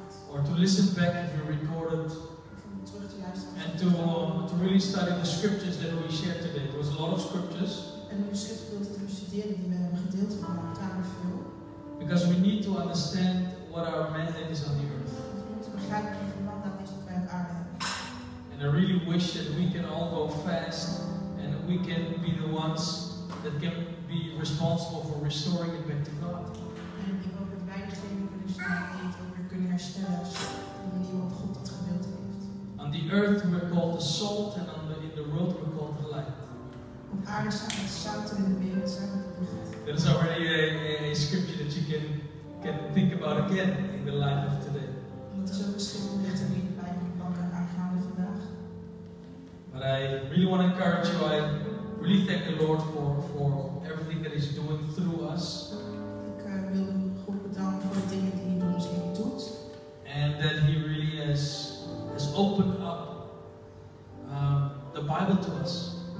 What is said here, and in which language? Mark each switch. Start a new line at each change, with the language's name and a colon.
English: Or to listen back if you recorded. And to really study the scriptures that we shared today. There was a lot of scriptures.
Dutch: En de schriftgedeelte die we studeerden, die we hebben gedeeld vandaag, tamelijk veel.
English: Because we need to understand what our mandate is on the earth.
Dutch: We moeten begrijpen wat ons mandaat is op aarde.
English: And I really wish that we can all go fast and we can be the ones that can be responsible for restoring it back to God.
Dutch: En ik hoop dat wij degene kunnen zijn die het ook weer kunnen herstellen op de manier waarop God het gewild heeft.
English: On the earth we're called the salt and in the world we're called the light.
Dutch: Op aarde zijn we het zout en in de wereld zijn we het licht.
English: There is already a scripture that you can think about again in the light of today.
Dutch: Het is ook een schrift om dichter in de Bijbel te pakken aangaande vandaag.
English: But I really want to encourage you. I really thank the Lord for everything that He's doing through us.
Dutch: Ik wil God bedanken voor de dingen die Hij door ons heen doet.
English: And that He really has opened up the Bible to us.